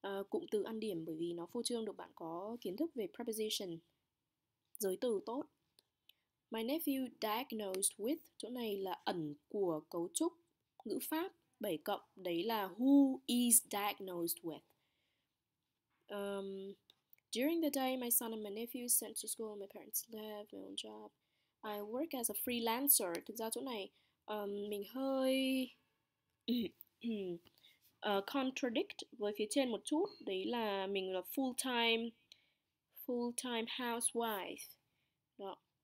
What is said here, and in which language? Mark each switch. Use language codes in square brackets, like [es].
[vi] Cụm từ ăn điểm bởi vì nó phô trương được bạn có kiến thức về preposition. Giới từ tốt. [en] My nephew diagnosed with. [vi] Chỗ này là ẩn của cấu trúc ngữ pháp 7 cộng. Đấy là [en] who is diagnosed with. During the day, my son and my nephew sent to school. My parents left my own job. I work as a freelancer. [vi] Thực ra chỗ này mình hơi contradict với phía trên một chút. Đấy là mình là [en] full-time housewife. [vi] Đó.